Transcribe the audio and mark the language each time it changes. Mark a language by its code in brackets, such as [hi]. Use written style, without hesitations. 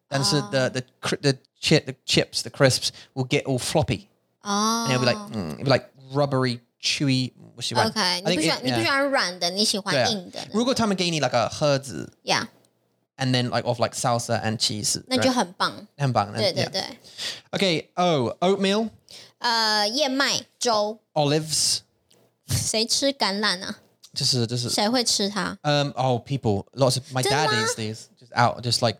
[en] And so the chips, the crisps will get all floppy. Oh. And it'll be like, it'll be like rubbery, chewy. What's your word? Okay. [zh] 你不喜欢软的，你喜欢硬的。如果他们给你 [en] like a [zh] 盒子。 [en] Yeah. And then like of like salsa and cheese. [zh] 那就很棒。很棒。对对对。 [en] Okay. Oh, oatmeal. [zh] 燕麦粥。 [en] Olives. [zh] 谁吃橄榄啊？就是谁会吃它？ [en] People, lots of my dad eats these just out, just like